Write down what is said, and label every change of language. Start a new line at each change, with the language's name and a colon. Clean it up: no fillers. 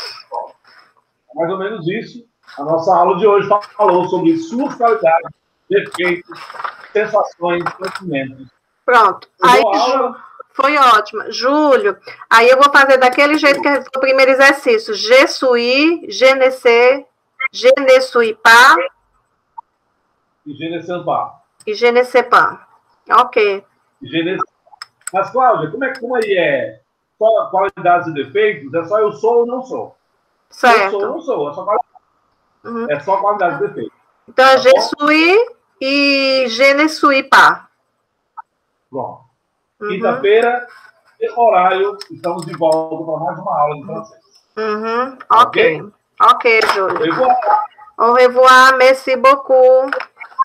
Portuguese: Bom, mais ou menos isso. A nossa aula de hoje falou sobre suas qualidades, defeitos, sensações, sentimentos. Pronto. Aí, foi ótimo. Júlio, aí eu vou fazer daquele jeito que é o primeiro exercício.
French: Je suis, je ne sais, je ne suis pas. E je ne sais pas. E je ne sais pas. Ok. Je ne sais pas.
Portuguese: Mas, Cláudia, como aí é? Qual a qualidade e defeitos? É só eu sou ou não sou? Certo. Eu sou ou não sou? É só qualidade, uhum. É só qualidade e defeitos. Então, tá,
French: je suis e je ne suis pas.
Portuguese: Pronto. Uhum. Quinta-feira, horário, estamos de volta para mais uma aula de francês. Uhum. Ok. Ok, Júlio.
French: Au revoir. Au revoir, merci beaucoup.